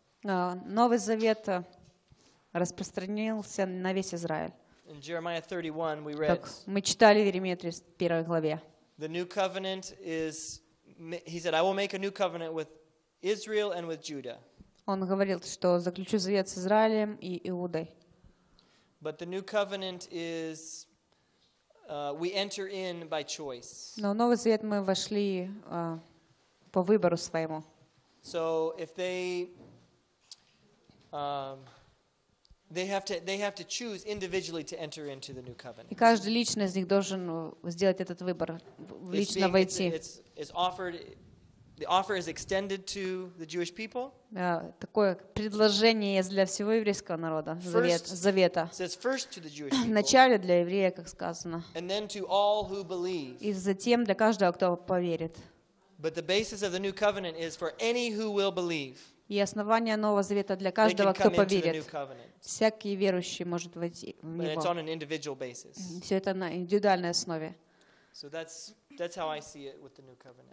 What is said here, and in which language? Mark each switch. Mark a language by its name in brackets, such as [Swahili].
[Russian] Новый Завет распространился на весь Израиль. [English] In Jeremiah 31, we read. [Russian] Так мы читали в Иеремии 31 главе. [English] The new covenant is, he said, I will make a new covenant with Israel and with Judah. [Russian] Он говорил, что заключу завет с Израилем и Иудой. [English] But the new covenant is. We enter in by choice. [Russian] Но Новый Завет мы вошли по выбору своему. [English] So if they have to choose individually to enter into the new covenant. [Russian] И каждый лично из них должен сделать этот выбор, лично войти. [English] It's offered. The offer is extended to the Jewish people. [Russian] Такое предложение есть для всего еврейского народа. Завета. [English] Says first to the Jewish people. [Russian] Вначале для еврея, как сказано. [English] And then to all who believe. [Russian] И затем для каждого, кто поверит. [English] But the basis of the new covenant is for any who will believe. [Russian] И основание Нового Завета для каждого, кто поверит. Всякий верующий может войти в него. [English] But it's on an individual basis. [Russian] Все это на индивидуальной основе. [English] So that's how I see it with the new covenant.